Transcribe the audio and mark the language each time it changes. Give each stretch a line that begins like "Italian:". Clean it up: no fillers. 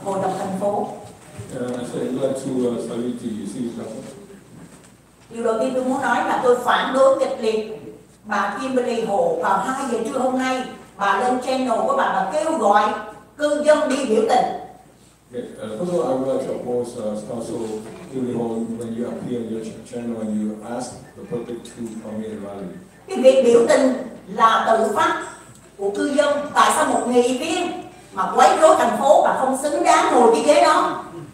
Vietnamese: Tôi xin chào hội đồng thành phố. Xin chào, xin chào. Điều đầu tiên tôi muốn nói là tôi phản đối kịch liệt bà Kimberly Hồ vào 2 giờ trưa hôm nay. Bà lên channel của bà kêu gọi cư dân đi biểu tình.
English: First of all, I would like to oppose Council Kimberly Hồ when you appear on your channel and you ask the public to come in and rally.
Vietnamese: Cái việc biểu tình là tự phát của cư dân. Tại sao một nghị viên mà quấy rối thành phố và không xứng đáng ngồi cái ghế đó?